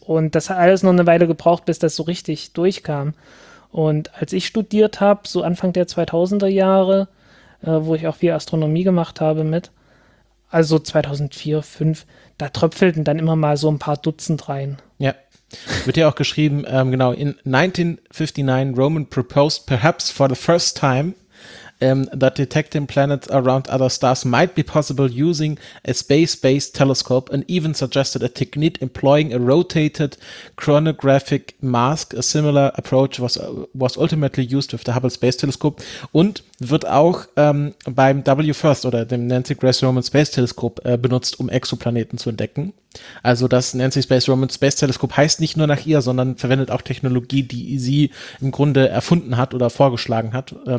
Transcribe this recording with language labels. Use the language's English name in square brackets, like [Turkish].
[German] Und das hat alles noch eine Weile gebraucht, bis das so richtig durchkam. Und als ich studiert habe, so Anfang der 2000er Jahre, wo ich auch viel Astronomie gemacht habe mit, also 2004, 2005, da tröpfelten dann immer mal so ein paar Dutzend rein. Ja. Wird ja auch geschrieben, [English] in 1959 Roman proposed perhaps for the first time that detecting planets around other stars might be possible using a space-based telescope, and even suggested a technique employing a rotated chronographic mask. A similar approach was ultimately used with the Hubble Space Telescope, [German] und wird auch beim WFIRST oder dem Nancy Grace Roman Space Telescope benutzt, um Exoplaneten zu entdecken. Also das Nancy Space Roman Space Telescope heißt nicht nur nach ihr, sondern verwendet auch Technologie, die sie im Grunde erfunden hat oder vorgeschlagen hat.